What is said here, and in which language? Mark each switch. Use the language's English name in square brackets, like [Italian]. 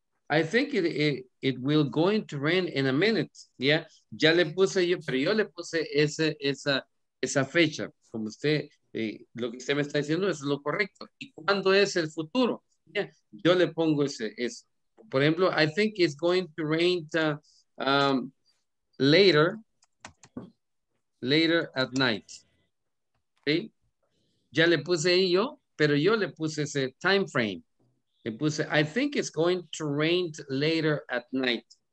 [English] I think it will going to rain in a minute. Yeah. [Spanish] Ya le puse yo, pero yo le puse esa fecha. Como usted, lo que usted me está diciendo es lo correcto. ¿Y cuándo es el futuro? Yeah. Yo le pongo eso. Por ejemplo, [English] I think it's going to rain later at night. [Spanish] ¿Sí? Ya le puse ahí yo, pero yo le puse ese time frame. Le puse, [English] I think it's going to rain later at night.